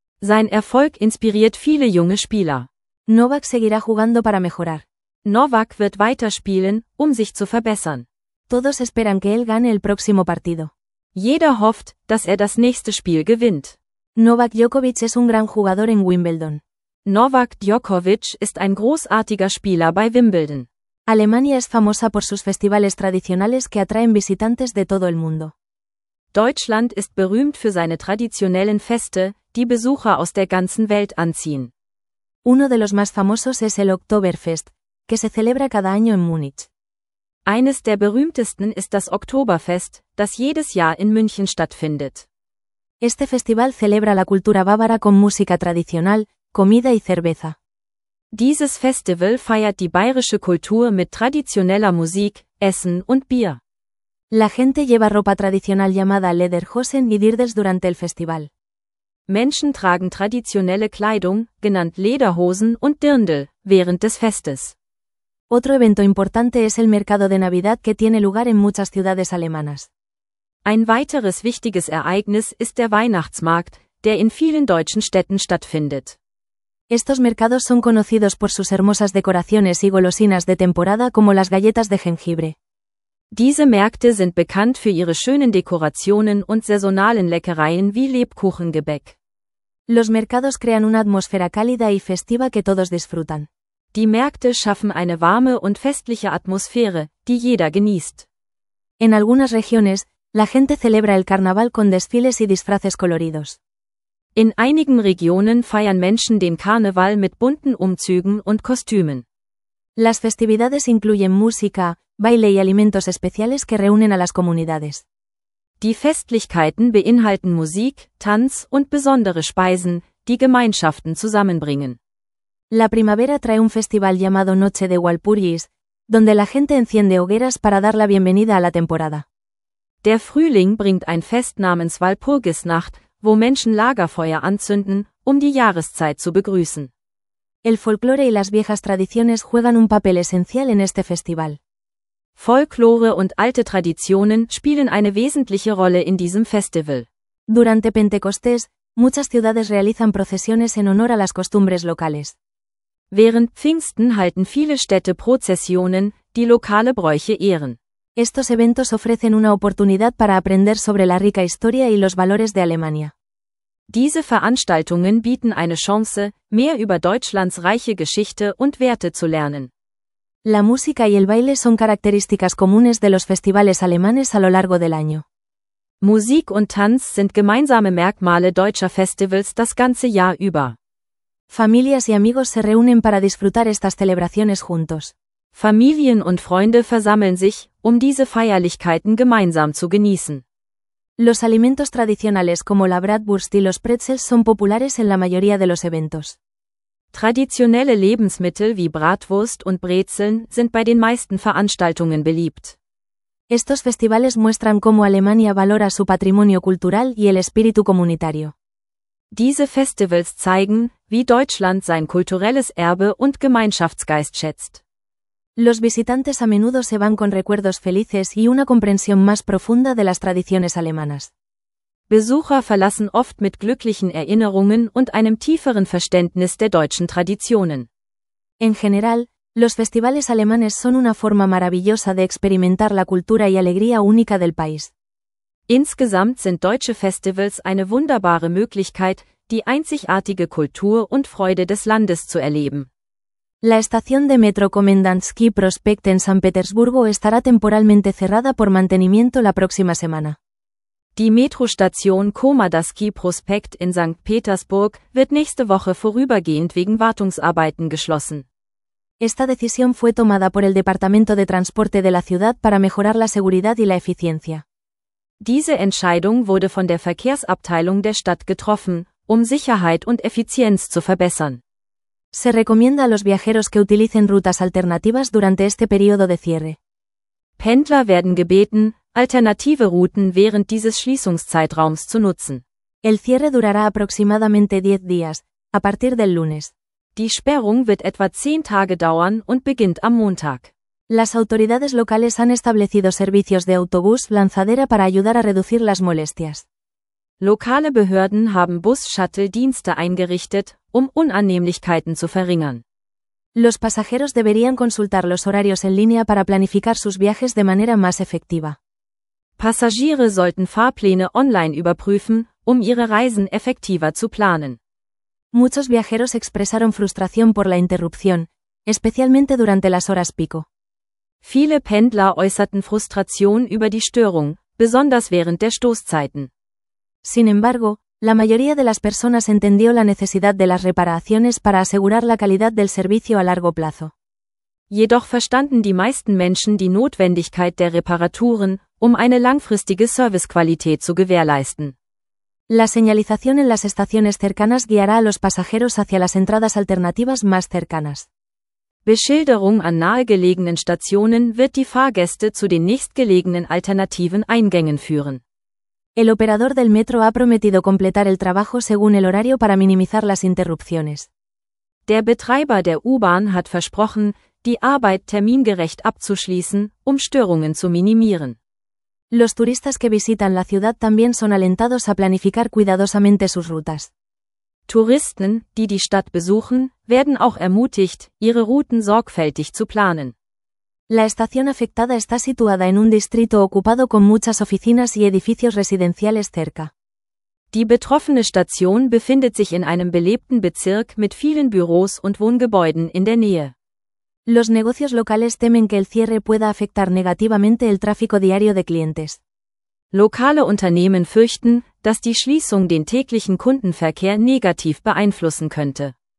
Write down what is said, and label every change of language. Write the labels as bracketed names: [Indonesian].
[German] Sein Erfolg inspiriert viele junge Spieler. [Spanish] Novak seguirá jugando para mejorar. [German] Novak wird weiterspielen, um sich zu verbessern. [Spanish] Todos esperan que él gane el próximo partido. [German] Jeder hofft, dass er das nächste Spiel gewinnt. [Spanish] Novak Djokovic es un gran jugador en Wimbledon. [German] Novak Djokovic ist ein großartiger Spieler bei Wimbledon. [Spanish] Alemania es famosa por sus festivales tradicionales que atraen visitantes de todo el mundo. [German] Deutschland ist berühmt für seine traditionellen Feste, die Besucher aus der ganzen Welt anziehen. [Spanish] Uno de los más famosos es el Oktoberfest, que se celebra cada año en Múnich. [German] Eines der berühmtesten ist das Oktoberfest, das jedes Jahr in München stattfindet. [Spanish] Este festival celebra la cultura bávara con música tradicional, comida y cerveza. [German] Dieses Festival feiert die bayerische Kultur mit traditioneller Musik, Essen und Bier. [Spanish] La gente lleva ropa tradicional llamada Lederhosen y Dirndls durante el festival. [German] Menschen tragen traditionelle Kleidung, genannt Lederhosen und Dirndl, während des Festes. [Spanish] Otro evento importante es el mercado de Navidad que tiene lugar en muchas ciudades alemanas. [German] Ein weiteres wichtiges Ereignis ist der Weihnachtsmarkt, der in vielen deutschen Städten stattfindet. [Spanish] Estos mercados son conocidos por sus hermosas decoraciones y golosinas de temporada como las galletas de jengibre. [German] Diese Märkte sind bekannt für ihre schönen Dekorationen und saisonalen Leckereien wie Lebkuchengebäck. [Spanish] Los mercados crean una atmósfera cálida y festiva que todos disfrutan. [German] Die Märkte schaffen eine warme und festliche Atmosphäre, die jeder genießt. [Spanish] En algunas regiones, la gente celebra el carnaval con desfiles y disfraces coloridos. [German] In einigen Regionen feiern Menschen den Karneval mit bunten Umzügen und Kostümen. [Spanish] Las festividades incluyen música, baile y alimentos especiales que reúnen a las comunidades. [German] Die Festlichkeiten beinhalten Musik, Tanz und besondere Speisen, die Gemeinschaften zusammenbringen. [Spanish] La primavera trae un festival llamado Noche de Walpurgis, donde la gente enciende hogueras para dar la bienvenida a la temporada. [German] Der Frühling bringt ein Fest namens Walpurgisnacht, wo Menschen Lagerfeuer anzünden, um die Jahreszeit zu begrüßen. [Spanish] El folclore y las viejas tradiciones juegan un papel esencial en este festival. [German] Folklore und alte Traditionen spielen eine wesentliche Rolle in diesem Festival. [Spanish] Durante Pentecostés, muchas ciudades realizan procesiones en honor a las costumbres locales. [German] Während Pfingsten halten viele Städte Prozessionen, die lokale Bräuche ehren. [Spanish] Estos eventos ofrecen una oportunidad para aprender sobre la rica historia y los valores de Alemania. [German] Diese Veranstaltungen bieten eine Chance, mehr über Deutschlands reiche Geschichte und Werte zu lernen. [Spanish] La música y el baile son características comunes de los festivales alemanes a lo largo del año. [German] Musik und Tanz sind gemeinsame Merkmale deutscher Festivals das ganze Jahr über. [Spanish] Familias y amigos se reúnen para disfrutar estas celebraciones juntos. [German] Familien und Freunde versammeln sich, um diese Feierlichkeiten gemeinsam zu genießen. [Spanish] Los alimentos tradicionales como la Bratwurst y los Pretzels son populares en la mayoría de los eventos. [German] Traditionelle Lebensmittel wie Bratwurst und Brezeln sind bei den meisten Veranstaltungen beliebt. [Spanish] Estos festivales muestran cómo Alemania valora su patrimonio cultural y el espíritu comunitario. [German] Diese Festivals zeigen, wie Deutschland sein kulturelles Erbe und Gemeinschaftsgeist schätzt. [Spanish] Los visitantes a menudo se van con recuerdos felices y una comprensión más profunda de las tradiciones alemanas. [German] Besucher verlassen oft mit glücklichen Erinnerungen und einem tieferen Verständnis der deutschen Traditionen. [Spanish] En general, los festivales alemanes son una forma maravillosa de experimentar la cultura y alegría única del país. [German] Insgesamt sind deutsche Festivals eine wunderbare Möglichkeit, die einzigartige Kultur und Freude des Landes zu erleben. [Spanish] La estación de metro Komendantsky Prospekt en San Petersburgo estará temporalmente cerrada por mantenimiento la próxima semana. [German] Die Metrostation Komendantsky Prospekt in St. Petersburg wird nächste Woche vorübergehend wegen Wartungsarbeiten geschlossen. [Spanish] Esta decisión fue tomada por el Departamento de Transporte de la ciudad para mejorar la seguridad y la eficiencia. [German] Diese Entscheidung wurde von der Verkehrsabteilung der Stadt getroffen, um Sicherheit und Effizienz zu verbessern. [Spanish] Se recomienda a los viajeros que utilicen rutas alternativas durante este periodo de cierre. [German] Pendler werden gebeten, alternative Routen während dieses Schließungszeitraums zu nutzen. [Spanish] El cierre durará aproximadamente 10 días, a partir del lunes. [German] Die Sperrung wird etwa 10 Tage dauern und beginnt am Montag. [Spanish] Las autoridades locales han establecido servicios de autobús lanzadera para ayudar a reducir las molestias. [German] Lokale Behörden haben Bus-Shuttle-Dienste eingerichtet, um Unannehmlichkeiten zu verringern. [Spanish] Los pasajeros deberían consultar los horarios en línea para planificar sus viajes de manera más efectiva. [German] Passagiere sollten Fahrpläne online überprüfen, um ihre Reisen effektiver zu planen. [Spanish] Muchos viajeros expresaron frustración por la interrupción, especialmente durante las horas pico. [German] Viele Pendler äußerten Frustration über die Störung, besonders während der Stoßzeiten. [Spanish] Sin embargo, la mayoría de las personas entendió la necesidad de las reparaciones para asegurar la calidad del servicio a largo plazo. [German] Jedoch verstanden die meisten Menschen die Notwendigkeit der Reparaturen, um eine langfristige Servicequalität zu gewährleisten. [Spanish] La señalización en las estaciones cercanas guiará a los pasajeros hacia las entradas alternativas más cercanas. [German] Beschilderung an nahegelegenen Stationen wird die Fahrgäste zu den nächstgelegenen alternativen Eingängen führen. [Spanish] El operador del metro ha prometido completar el trabajo según el horario para minimizar las interrupciones. [German] Der Betreiber der U-Bahn hat versprochen, die Arbeit termingerecht abzuschließen, um Störungen zu minimieren. [Spanish] Los turistas que visitan la ciudad también son alentados a planificar cuidadosamente sus rutas. [German] Touristen, die die Stadt besuchen, werden auch ermutigt, ihre Routen sorgfältig zu planen. [Spanish] La estación afectada está situada en un distrito ocupado con muchas oficinas y edificios residenciales cerca. [German] Die betroffene Station befindet sich in einem belebten Bezirk mit vielen Büros und Wohngebäuden in der Nähe. [Spanish] Los negocios locales temen que el cierre pueda afectar negativamente el tráfico diario de clientes. [German] Lokale Unternehmen fürchten, dass die Schließung den täglichen Kundenverkehr negativ beeinflussen könnte.